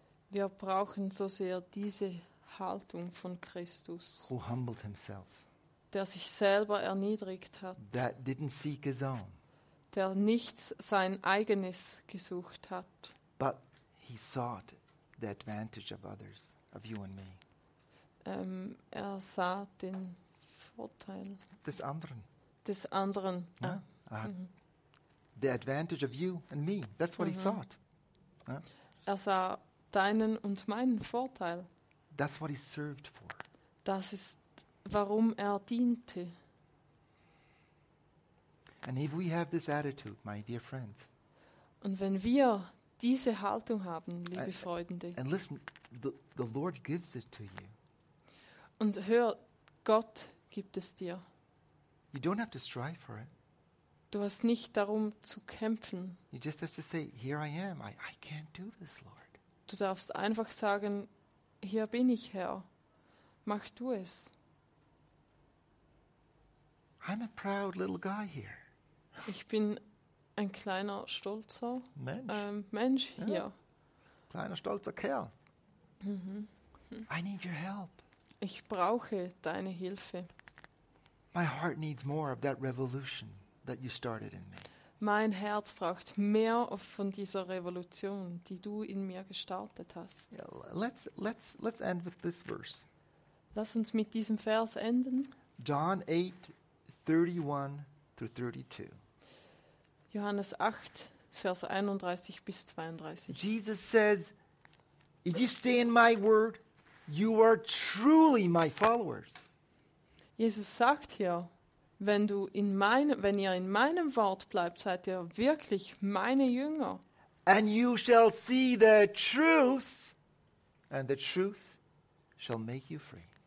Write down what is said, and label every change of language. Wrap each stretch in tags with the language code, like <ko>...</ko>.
<de>Wir brauchen so sehr diese Haltung von Christus,</de> <en>who humbled himself,</en> <de>der sich selber erniedrigt hat,</de> <en>that didn't seek his own,</en> <de>der nichts sein eigenes gesucht hat,</de> <en>but he sought the advantage of others, of you and me.</en> <de>Er sah den Vorteil des anderen. Des anderen. Ja?</de> <en>The advantage of you and me. That's what he sought.</en> <de>Ja? Er sah deinen und meinen Vorteil.</de> <en>That's what he served for.</en> <de>Das ist, warum er diente.</de> <en>And if we have this attitude, my dear friends.</en> <de>Und wenn wir diese Haltung haben, liebe Freunde.</de> <en>And listen, the Lord gives it to you.</en> <de>Und hör, Gott gibt es dir.</de> <en>You don't have to strive for it.</en> <de>Du hast nicht darum zu kämpfen.</de> <en>You just have to say, here I am. I can't do this, Lord.</en> <de>Du darfst einfach sagen, hier bin ich, Herr. Mach du es.</de> <en>I'm a proud little guy here.</en> <de>Ich bin ein kleiner, stolzer Mensch, Mensch hier. Ja. Kleiner, stolzer Kerl.</de> <en>I need your help.</en> <de>Ich brauche deine Hilfe.</de> <en>My heart needs more of that revolution that you started in me.</en> <de>Mein Herz braucht mehr von dieser Revolution, die du in mir gestartet hast.</de> <en>Yeah, let's end with this verse.</en> <de>Lass uns mit diesem Vers enden.</de> <en>John 8, 31 through 32.</en> <de>Johannes 8, Vers 31 bis 32.</de> <en>Jesus says, if you stay in my word, you are truly my followers.</en> <de>Jesus sagt hier, wenn ihr in meinem Wort bleibt, seid ihr wirklich meine Jünger.</de> <en>And you shall see the truth, and the truth shall make you free.</en>